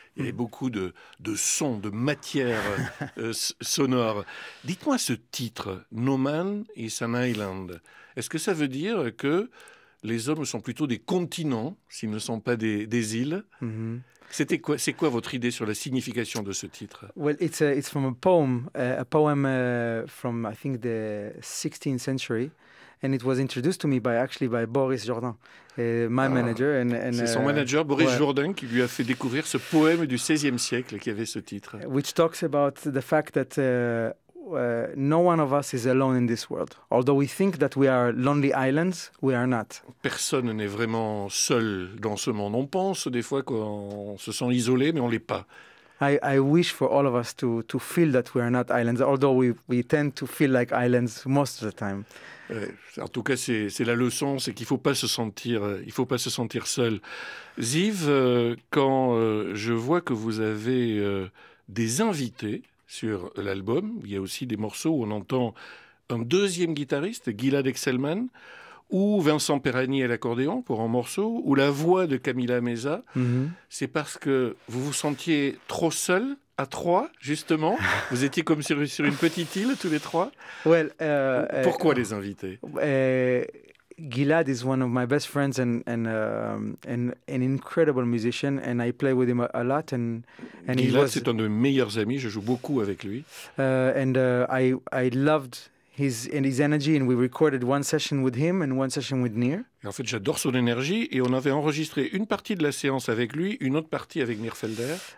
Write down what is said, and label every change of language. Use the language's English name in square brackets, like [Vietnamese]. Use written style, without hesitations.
[French] Il y avait beaucoup de sons, de matière sonore. Dites-moi ce titre, No Man is an Island, est-ce que ça veut dire que les hommes sont plutôt des continents s'ils ne sont pas des îles? C'était quoi, c'est quoi votre idée sur la signification de ce titre? [English] Well, it's from a poem from I think the 16th century, and it was introduced to me by Boris Jourdain, my manager. [French] Son manager Boris Jourdain qui lui a fait découvrir ce poème du 16e siècle qui avait ce titre. [English] Which talks about the fact that no one of us is alone in this world. Although we think that we are lonely islands, we are not. [French] Personne n'est vraiment seul dans ce monde. On pense des fois qu'on se sent isolé, mais on l'est pas. [English] I wish for all of us to feel that we are not islands, although we tend to feel like islands most of the time. [French] En tout cas, c'est la leçon, c'est qu'il faut pas se sentir, il faut pas se sentir seul. Ziv, quand je vois que vous avez des invités sur l'album, il y a aussi des morceaux où on entend un deuxième guitariste, Gilad Exelman, ou Vincent Perani à l'accordéon pour un morceau, ou la voix de Camila Meza. C'est parce que vous vous sentiez trop seul à trois, justement. Vous étiez comme sur une petite île, tous les trois. [English] Well, [French] pourquoi les inviter? [English] Gilad is one of my best friends and an incredible musician, and I play with him a lot. And [French] Gilad, c'est un de mes meilleurs amis. Je joue beaucoup avec lui. [English] I loved his energy, and we recorded one session with him and one session with Nir. [French] Et en fait, j'adore son énergie, et on avait enregistré une partie de la séance avec lui, une autre partie avec Nir Felder.